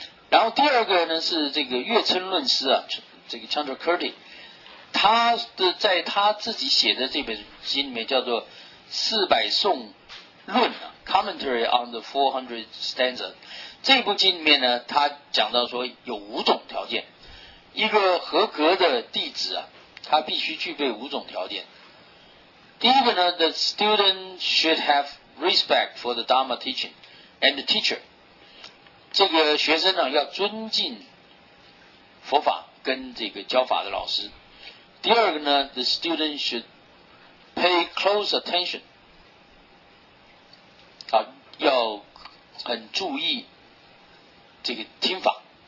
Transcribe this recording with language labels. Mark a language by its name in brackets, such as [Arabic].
[Chinese] 然后第二个呢是这个月称论师啊，这个 Chandrakirti， 他的在他自己写的这本经里面叫做《四百颂论》啊，《Commentary on the 400 Stanzas》，这部经里面呢，他讲到说有五种条件，一个合格的弟子啊，他必须具备五种条件。第一个呢 [English] ，the student should have respect for the Dharma teaching and the teacher。 [Chinese] 这个学生呢要尊敬佛法跟这个教法的老师。第二个呢 [English] ，the student should pay close attention。 [Chinese] 啊，要很注意这个听法。